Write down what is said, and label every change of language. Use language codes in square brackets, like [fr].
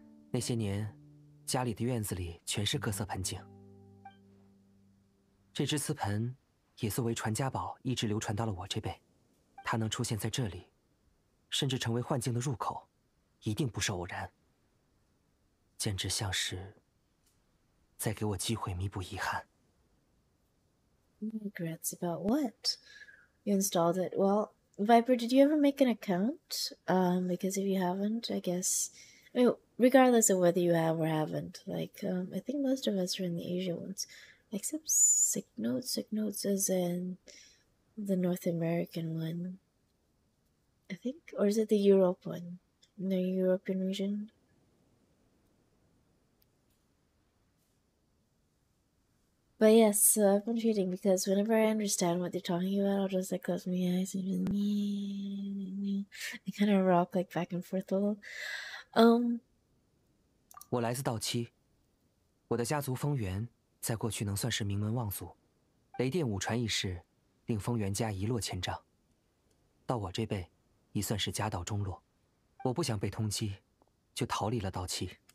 [zh] 那些年，家里的院子里全是各色盆景，这只瓷盆也作为传家宝一直流传到了我这辈，它能出现在这里，甚至成为幻境的入口，一定不是偶然，简直像是再给我机会弥补遗憾。 [en] Regrets about what? You installed it. Well, Viper, did you ever make an account? Because if you haven't, I guess, I mean, regardless of whether you have or haven't, like, I think most of us are in the Asia ones, except Cygnotes. Cygnotes is in the North American one, I think, or is it the Europe one, in the European region? But yes, so I've been cheating because whenever I understand what they're talking about, I'll just like close my eyes and just I kind of rock like back and forth a little. [zh] 我来自道七，我的家族风源在过去能算是名门望族，雷电五传一事令风源家一落千丈，到我这辈已算是家道中落，我不想被通缉，就逃离了道七。